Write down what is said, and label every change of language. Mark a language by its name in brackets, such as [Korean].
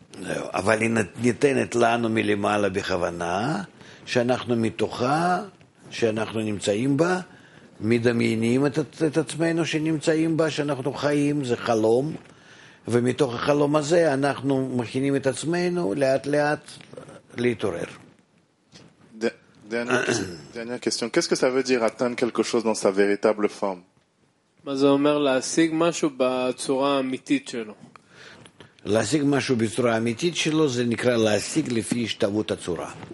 [Hebrew] אבל היא ניתנת לנו מלמעלה בכוונה, שאנחנו מתוכה, שאנחנו נמצאים בה, מדמיינים את עצמנו שנמצאים בה, שאנחנו חיים, זה חלום. ומתוך החלום הזה אנחנו מכינים את עצמנו לאט לאט להתעורר. [French] Dernière question. Qu'est-ce que ça veut dire atteindre quelque chose dans sa véritable forme? [Hebrew] מה זה אומר להשיג משהו בצורה האמיתית שלו? להשיג משהו בצורה האמיתית שלו זה נקרא להשיג לפי השתוות הצורה.